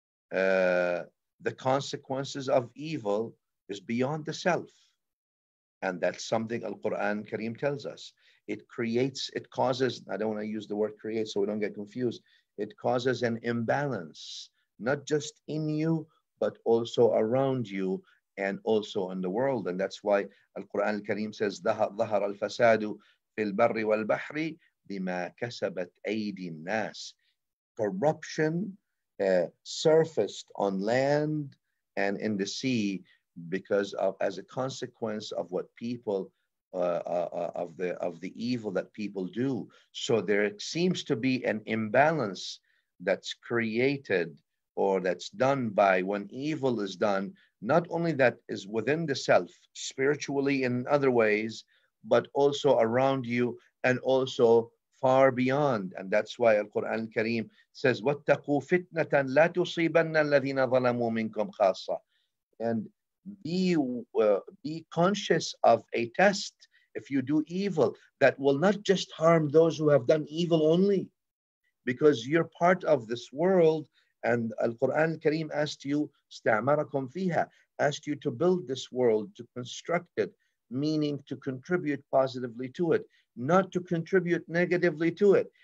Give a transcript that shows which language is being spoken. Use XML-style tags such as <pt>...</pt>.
<en>The consequences of evil is beyond the self, and that's something Al-Quran Kareem tells us. It causes, I don't want to use the word create so we don't get confused, it causes an imbalance, not just in you, but also around you, and also in the world. And that's why Al-Quran al-Kareem says,</en> <ar>ظهر الفساد في البر والبحر بما كسبت أيدي الناس.</ar> <en>Corruption surfaced on land and in the sea because of, as a consequence of what people of the evil that people do. So there seems to be an imbalance that's created, or that's done by when evil is done, not only that is within the self, spiritually in other ways, but also around you and also far beyond. And that's why Al-Quran Al-Kareem says,</en> <ar>وَاتَّقُوا فِتْنَةً لَا تُصِيبَنَّ الَّذِينَ ظَلَمُوا مِنْكُمْ خَاصَّةً.</ar> <en>And be conscious of a test if you do evil that will not just harm those who have done evil only, because you're part of this world. And Al-Quran Al-Kareem asked you,</en> <ar>استعمركم فيها,</ar> <en>asked you to build this world, to construct it, meaning to contribute positively to it, not to contribute negatively to it.</en>